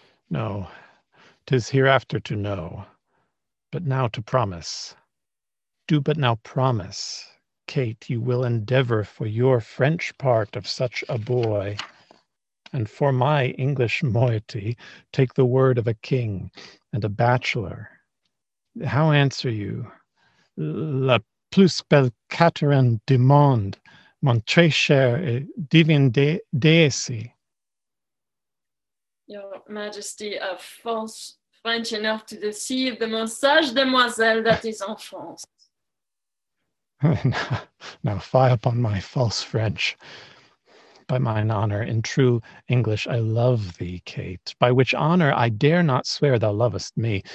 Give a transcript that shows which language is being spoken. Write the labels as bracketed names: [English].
[English] No, 'tis hereafter to know, but now to promise. Do but now promise, Kate, you will endeavor for your French part of such a boy, and for my English moiety, take the word of a king and a bachelor. How answer you? [French] La plus belle Catherine du monde, mon très cher et divine déesse. [English] Your Majesty, a false French enough to deceive the most sage demoiselle that is [French] en France. [English] Now fie upon my false French. By mine honor, in true English, I love thee, Kate, by which honor I dare not swear thou lovest me.